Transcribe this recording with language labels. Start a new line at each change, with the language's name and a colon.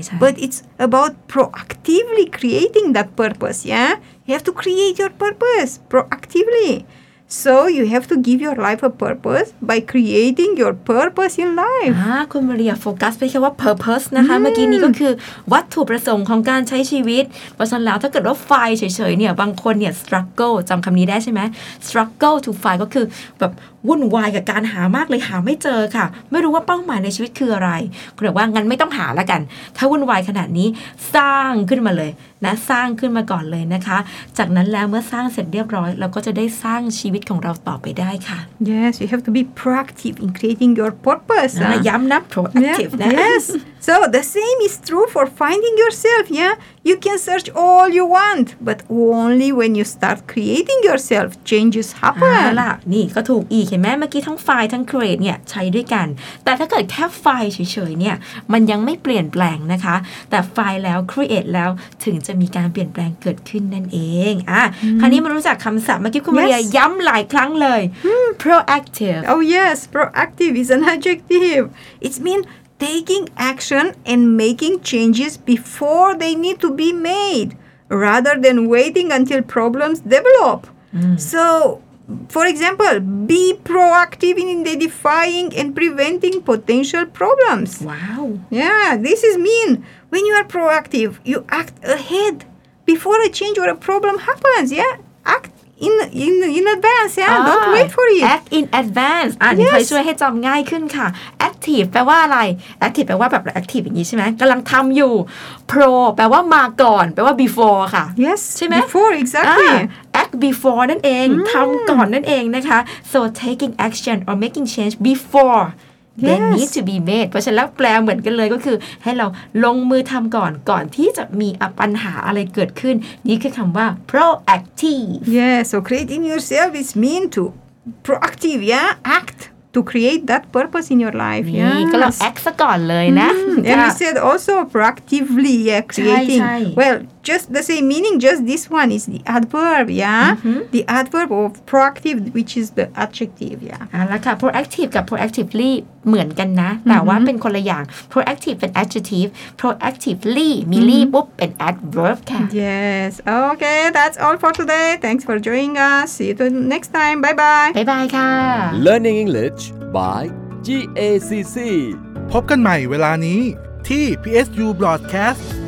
English: But it's about proactively creating that purpose, yeah? You have to create your purpose proactively. So you have to give your life a purpose by creating your purpose in life.
Thai: คุณมาเรียโฟกัสไปแค่ว่า purpose นะคะเมื่อกี้นี้ก็คือวัตถุประสงค์ของการใช้ชีวิตเพราะฉะนั้นแล้วถ้าเกิดว่าไฟเฉยๆเนี่ยบางคนเนี่ย struggle จำคำนี้ได้ใช่ไหม
English: struggle to find
Thai: ก็คือแบบวุ่นวายกับการหามากเลยหาไม่เจอค่ะไม่รู้ว่าเป้าหมายในชีวิตคืออะไรคุณบอกว่างั้นไม่ต้องหาแล้วกันถ้าวุ่นวายขนาดนี้สร้างขึ้นมาเลยนะสร้างขึ้นมาก่อนเลยนะคะจากนั้นแล้วเมื่อสร้างเสร็จเรียบร้อยเราก็จะได้สร้างชีวิตของเราต่อไปได้ค่ะ
English: Yes you have to be proactive in creating your purpose
Thai: นะย้ำนะ proactive
English: Yes so the same is true for finding yourself yeah you can search all you want but only when you start creating yourself changes happen
Thai: ล่ะนี่ก็ถูกอีกเห็นไหมเมื่อกี้ทั้งไฟทั้ง create เนี่ยใช้ด้วยกันแต่ถ้าเกิดแค่ไฟเฉยๆเนี่ยมันยังไม่เปลี่ยนแปลงนะคะแต่ไฟแล้ว create แล้วถึงจะมีการเปลี่ยนแปลงเกิดขึ้นนั่นเองคราวนี้มารู้จักคำศัพท์เมื่อกี้คุณมาเรียย้ำหลายครั้งเลย proactive
English: oh yes proactive is an adjective it means taking action and making changes before they need to be made rather than waiting until problems develop so for example be proactive in identifying and preventing potential problems wow yeah this is mean when you are proactive you act ahead before a change or a problem happens yeah act in advance yeah don't wait for it act in advance
Thai: นี่ไปช่วยให้จำง่ายขึ้นค่ะ active แปลว่าอะไร active แปลว่าแบบ active อย่างนี้ใช่ไหมกำลังทำอยู่ pro แปลว่ามาก่อนแปลว่า before ค่ะ
English: yes
Thai: ใช่ไหม
English: before exactly
Thai: act before นั่นเองทำก่อนนั่นเองนะคะ
English: so taking action or making change beforeThey need to be made
Thai: เพราะฉะนั้นแล้วแปลเหมือนกันเลยก็คือให้เราลงมือทำก่อนที่จะมีปัญหาอะไรเกิดขึ้นนี่คือคำว่า proactive
English: yeah so creating yourself is mean to proactive yeah act to create that purpose in your life
Thai: นี่ก็ลอง act ซะก่อนเลยนะ
English: and you said also proactively yeah creating well just the same meaning just this one is the adverb yeah the adverb of proactive which is the adjective yeah
Thai: แล้วค่ะ proactive กับ proactivelyเหมือนกันนะแต่ว่าเป็นคนละอย่าง proactive เป็น adjective proactively มี ly ปุ๊บเป็น adverb ค่ะ
English: yes okay that's all for today thanks for joining us see you next time bye bye bye bye ค่ะ learning english by GACC
Thai: พบกันใหม่เวลานี้ที่ PSU broadcast